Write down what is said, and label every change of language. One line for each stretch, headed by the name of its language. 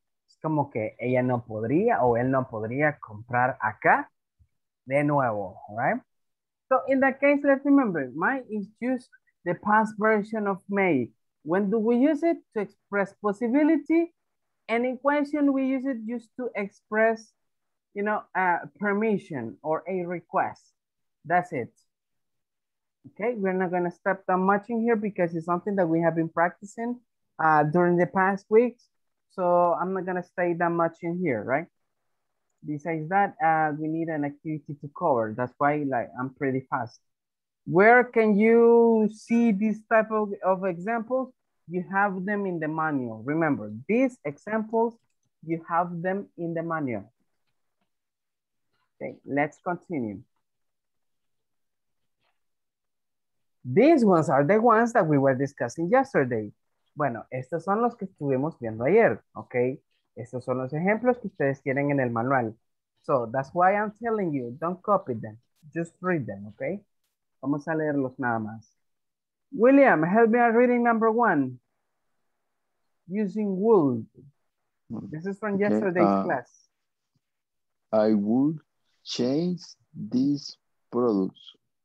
Spanish: Es como que ella no podría o él no podría comprar acá de nuevo, right?
English: So in that case, let's remember, might is just the past version of may. When do we use it? To express possibility. And in question, we use it just to express, you know, a permission or a request. That's it. Okay, we're not gonna step that much in here because it's something that we have been practicing during the past weeks. So I'm not gonna stay that much in here, right? Besides that, we need an activity to cover. That's why like I'm pretty fast. Where can you see this type of examples? You have them in the manual. Remember, these examples, you have them in the manual. Okay, let's continue. These ones are the ones that we were discussing yesterday.
Spanish: Bueno, estos son los que estuvimos viendo ayer, okay? Estos son los ejemplos que ustedes tienen en el manual.
English: So that's why I'm telling you, don't copy them. Just read them, okay?
Spanish: Vamos a leerlos nada más.
English: William, help me at reading number one. Using would. This is from yesterday's class. I would change these products.